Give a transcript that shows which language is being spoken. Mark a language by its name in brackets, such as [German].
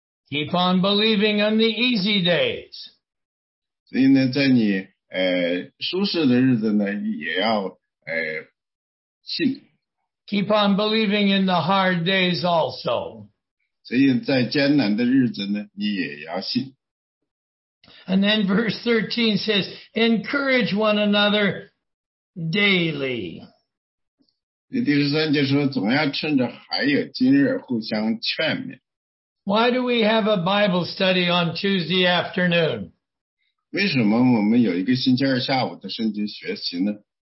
[English] Keep on believing on the easy days. [Chinese] 所以呢，在你 舒适的日子呢，也要信。 [English] Keep on believing in the hard days also. [Chinese] 所以在艰难的日子呢，你也要信。 [English] And then verse 13 says, encourage one another daily. [Chinese] 第十三节说，总要趁着还有今日互相劝勉。 [English] Why do we have a Bible study on Tuesday afternoon? [Chinese] 为什么我们有一个星期二下午的圣经学习呢？